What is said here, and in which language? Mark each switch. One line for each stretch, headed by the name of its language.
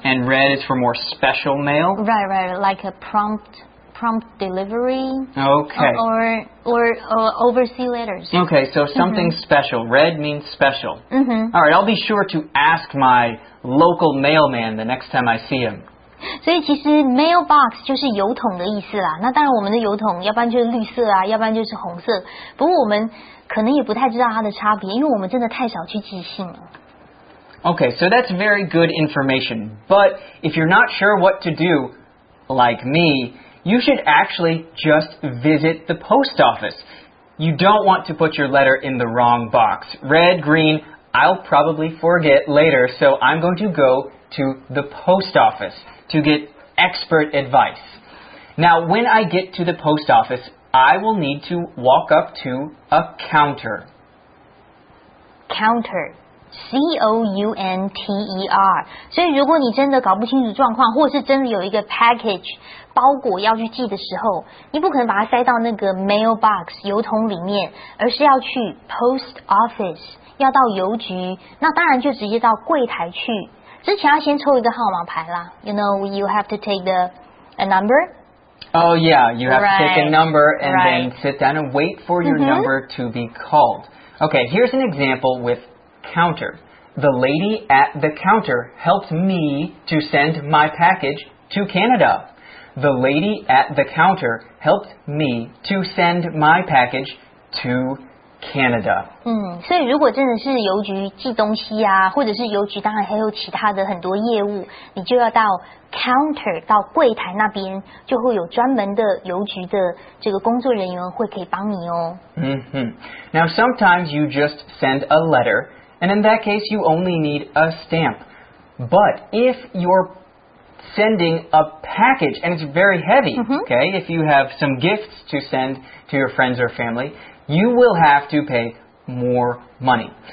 English: And red is for more special mail. Right, right, like a prompt delivery. Okay. Or overseas letters. Okay, so something special. Red means special. Mm-hmm. All right, I'll be sure to ask my local mailman the next time I see him.
Chinese: 所以其实 mailbox 就是邮筒的意思啦，那当然我们的邮筒要不然就是绿色啊，要不然就是红色，不过我们可能也不太知道它的差别，因为我们真的太少去寄信了。
English: Okay, so that's very good information, but if you're not sure what to do, like me, you should actually just visit the post office. You don't want to put your letter in the wrong box. Red, green, I'll probably forget later, so I'm going to go to the post office.To get expert advice. Now, when I get to the post office, I will need to walk up to a counter. Counter. C-O-U-N-T-E-R.
Chinese: 所以如果你真的搞不清楚状况，或是真的有一个 package 包裹要去寄的时候，你不可能把它塞到那个 mailbox 邮筒里面，而是要去 post office， 要到邮局，那当然就直接到柜台去。之前要先抽一个号码牌啦，
English: you know, you have to take a number. Oh yeah, you have right, to take a number and right. then sit down and wait for your、mm-hmm. number to be called. Okay, here's an example with counter. The lady at the counter helped me to send my package to Canada. The lady at the counter helped me to send my package to Canada.
Chinese: 嗯，所以如果真的是邮局寄东西啊，或者是邮局当然还有其他的很多业务，你就要到 counter 到柜台那边，就会有专门的邮局的这个工作人员会可以帮你哦。嗯哼。
English: Now sometimes you just send a letter. And in that case, you only need a stamp. But if you're sending a package, and it's very heavy,、 mm-hmm. okay, if you have some gifts to send to your friends or family, you will have to pay more money.